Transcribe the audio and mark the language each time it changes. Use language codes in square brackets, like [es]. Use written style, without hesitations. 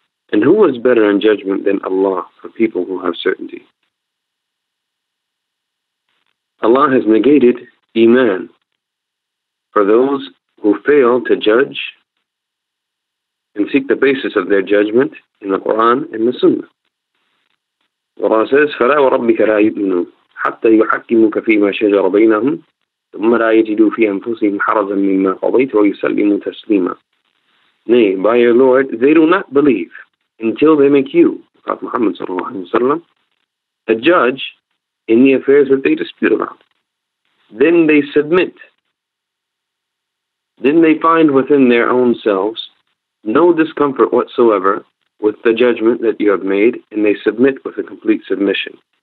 [en] And who is better in judgment than Allah for people who have certainty? Allah has negated Iman for those who fail to judge and seek the basis of their judgment in the Quran and the Sunnah. Allah says, [ar] فَلَا وَرَبِّكَ لَا يُؤْمِنُوا حَتَّى يُحَكِّمُكَ فِي مَا شَجَرَ بَيْنَهُمْ ثُمَّ لَا يَجِدُوا فِي أَنفُسِهِمْ حَرَزًا مِّمَّا قَضَيْتُ وَيُسَلِّمُوا تَسْلِيمًا. [en] Nay, by your Lord, they do not believe until they make you, Prophet Muhammad sallallahu alaihi wasallam, a judge in the affairs that they dispute about. Then they submit. Then they find within their own selves no discomfort whatsoever with the judgment that you have made, and they submit with a complete submission.